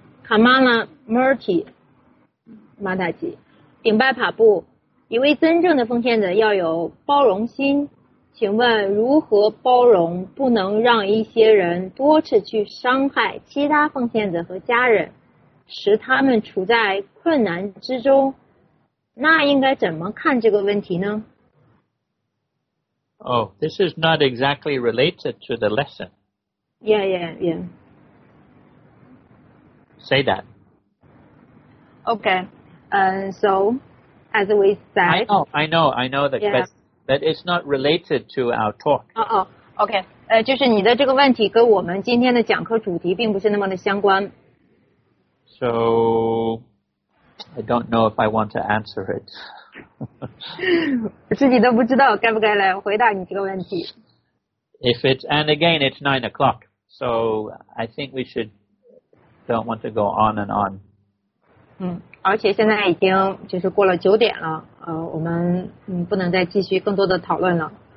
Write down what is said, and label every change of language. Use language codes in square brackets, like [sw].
[zh] Kamala Murthy马大吉，顶拜帕布，一位真正的奉献者要有包容心，请问如何包容不能让一些人多次去伤害其他奉献者和家人，使他们处在困难之中，那应该怎么看这个问题呢？ [en] Oh, this is not exactly related to the lesson. Yeah, yeah, yeah. Say that. Okay. So, as we said... I know the question, yeah. But it's not related to our talk. Okay. [zh] 就是你的这个问题跟我们今天的讲课主题并不是那么的相关。 [en] So, I don't know if I want to answer it. [zh] 自己都不知道该不该来回答你这个问题。 [en] If it's, and again, it's 9 o'clock. So, I think we should, don't want to go on and on. [zh] 而且现在已经就是过了九点了，我们不能再继续更多的讨论了。